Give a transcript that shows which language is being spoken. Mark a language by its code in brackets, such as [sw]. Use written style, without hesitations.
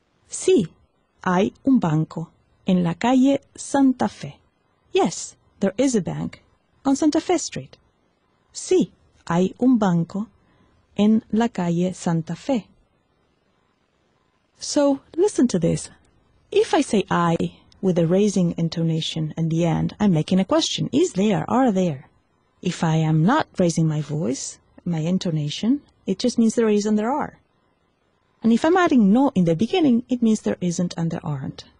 [es] Sí, hay un banco en la calle Santa Fe. [en] Yes, there is a bank on Santa Fe Street. [es] Sí, hay un banco en la calle Santa Fe. [en] So, listen to this. If I say I with a raising intonation in the end, I'm making a question. Is there? Are there? If I am not raising my voice, my intonation, it just means there is and there are. And if I'm adding no in the beginning, it means there isn't and there aren't.